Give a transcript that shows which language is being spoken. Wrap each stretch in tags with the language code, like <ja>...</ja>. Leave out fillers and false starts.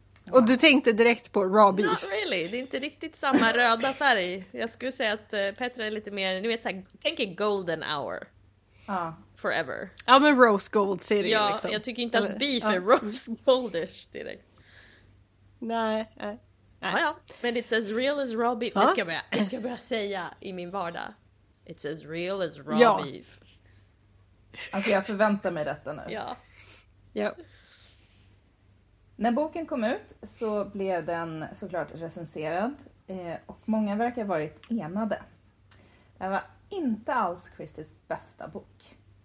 <sv>Och du tänkte direkt på raw beef.</sv> <en>Not really,</en> <sv>det är inte riktigt samma röda färg. Jag skulle säga att Petra är lite mer, ni vet såhär, tänk golden hour.</sv> <en>Forever.</en> <sv>Ja, men rose gold ser det liksom. Ja, jag tycker inte att beef är rose goldish direkt. Nej. Ja, men</sv> <en>it's as real as raw beef.</en> <sv>Det ska jag börja säga i min vardag.</sv> <en>It's as real as raw beef.</en> <sv>Alltså jag förväntar mig detta nu. Ja. Ja. När boken kom ut så blev den såklart recenserad. Och många verkar ha varit enade. Det var inte alls Christies bästa bok.</sv>